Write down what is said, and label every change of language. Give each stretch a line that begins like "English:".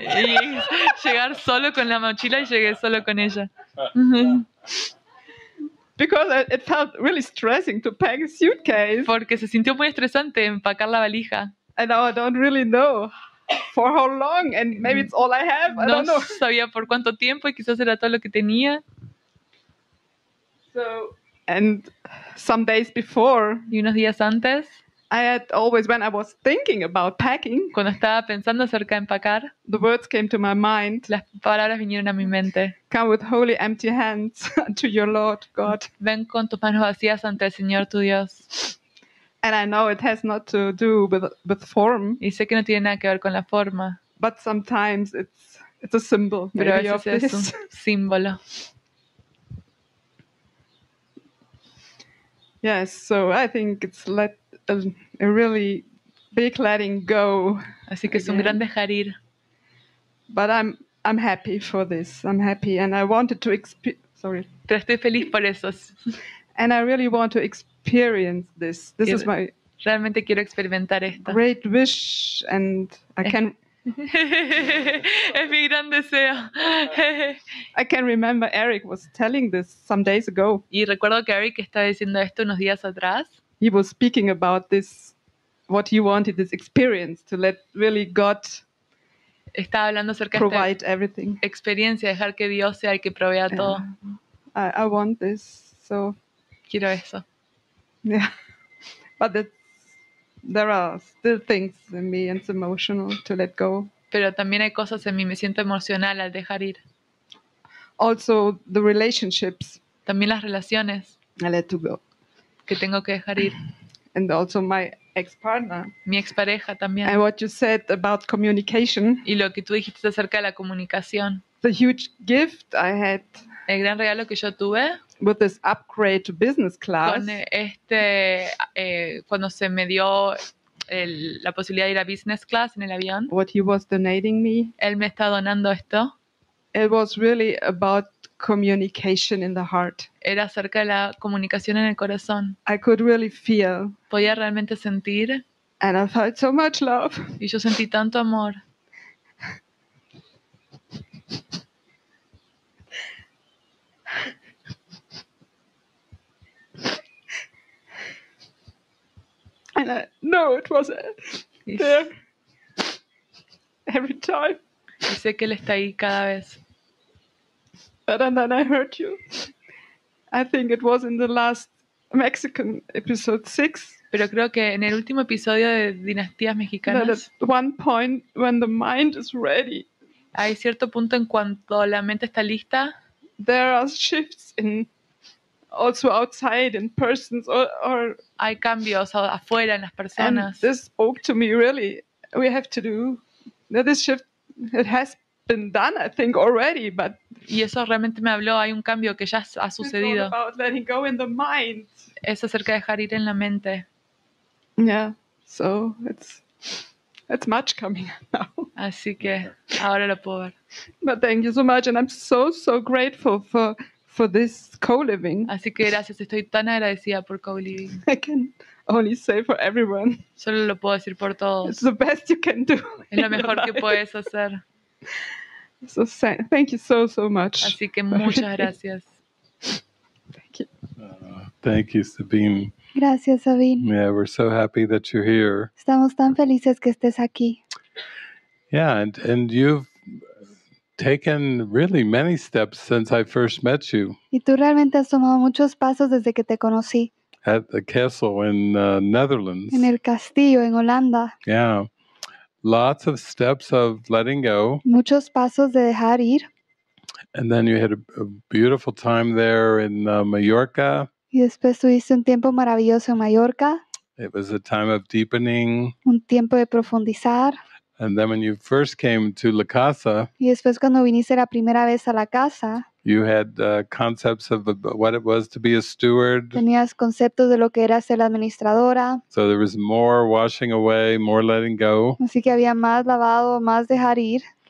Spanish: Y llegar solo con la mochila y llegué solo con ella.
English: Because it felt really stressing to pack a suitcase.
Spanish: Porque se sintió muy estresante empacar la valija.
English: And now I don't really know for how long and maybe it's all I have. No, I don't know.
Spanish: Sabía por cuánto tiempo y quizás era todo lo que tenía.
English: So. And some days before,
Spanish: y unos días antes,
English: I had always, when I was thinking about packing,
Spanish: cuando estaba pensando acerca de empacar,
English: the words came to my mind.
Spanish: Las palabras vinieron a mi mente.
English: Come with holy empty hands to your Lord God.
Spanish: Ven con tus manos vacías ante el Señor tu Dios.
English: And I know it has not to do with form.
Spanish: Y sé que no tiene nada que ver con la forma.
English: But sometimes it's a symbol.
Spanish: Pero
English: maybe
Spanish: a veces es un símbolo.
English: Yes, so I think it's let a really big letting go.
Spanish: Así que es un gran dejar ir.
English: But I'm happy for this. I'm happy, and I wanted to
Spanish: Pero estoy feliz por eso.
English: And I really want to experience this. This y is my
Spanish: realmente quiero experimentar esto.
English: Great wish, and I can.
Spanish: Es mi gran deseo.
English: I can remember Eric was telling this some days ago.
Spanish: Y recuerdo que Eric estaba diciendo esto unos días atrás.
English: He was speaking about this, what he wanted, this experience to let really God
Spanish: estaba hablando acerca
English: provide
Spanish: esta
English: everything.
Spanish: Experiencia, dejar que Dios sea el que provea todo.
English: I want this, so
Spanish: quiero eso.
English: Yeah, but there are still things in me, and it's emotional to let go.
Spanish: Pero también hay cosas en mí, me siento emocional al dejar ir.
English: Also the relationships.
Spanish: También las relaciones.
English: I let to go.
Spanish: Que tengo que dejar ir.
English: And also my ex-partner.
Spanish: Mi expareja también.
English: And what you said about communication.
Spanish: Y lo que tú dijiste acerca de la comunicación.
English: The huge gift I had.
Spanish: El gran regalo que yo tuve.
English: With this upgrade to business class.
Spanish: Con este, cuando se me dio la posibilidad de ir a business class en el avión.
English: What he was donating me.
Spanish: Él me está donando esto.
English: It was really about communication in the heart.
Spanish: Era acerca de la comunicación en el corazón.
English: I could really feel.
Spanish: Podía realmente sentir.
English: And I felt so much love.
Spanish: Y yo sentí tanto amor.
English: And I know it was there every time.
Spanish: Y sé que él está ahí cada vez.
English: And then I heard you. I think it was in the last Mexican episode 6.
Spanish: Pero creo que en el último episodio de Dinastías Mexicanas.
English: That at one point when the mind is ready.
Spanish: Hay cierto punto en cuanto la mente está lista.
English: There are shifts in also outside in persons or.
Spanish: Hay cambios afuera en las personas.
English: And this spoke to me really. We have to do. Now this shift, it has been done, I think, already, but.
Spanish: Y eso realmente me habló, hay un cambio que ya ha sucedido.
English: It's all about letting go in the mind.
Spanish: Es acerca de dejar ir en la mente.
English: Yeah, so it's much coming now.
Spanish: Así que ahora lo puedo ver.
English: But thank you so much, and I'm so, so grateful for this co-living.
Spanish: Así que gracias, estoy tan agradecida por co-living.
English: I can only say for everyone.
Spanish: Solo lo puedo decir por todos.
English: It's the best you can do.
Spanish: Es lo mejor que puedes hacer.
English: So thank you so, so much.
Spanish: Así que muchas gracias.
English: Thank you. Thank you, Sabine.
Spanish: Gracias, Sabine.
English: Yeah, we're so happy that you're here.
Spanish: Estamos tan felices que estés aquí.
English: Yeah, and you've taken really many steps since I first met you.
Spanish: Y tú realmente has tomado muchos pasos desde que te conocí.
English: At the castle in Netherlands.
Spanish: En el castillo en Holanda.
English: Yeah. Lots of steps of letting go.
Spanish: Muchos pasos de dejar ir.
English: And then you had a beautiful time there in Mallorca.
Spanish: Y después tuviste un tiempo maravilloso en Mallorca.
English: It was a time of deepening.
Spanish: Un tiempo de profundizar.
English: And then when you first came to La Casa.
Spanish: Y después cuando viniste la primera vez a La Casa.
English: You had concepts of what it was to be a steward.
Spanish: Tenías conceptos de lo que era ser la administradora.
English: So there was more washing away, more letting go.
Spanish: Así que había más lavado, más dejar ir.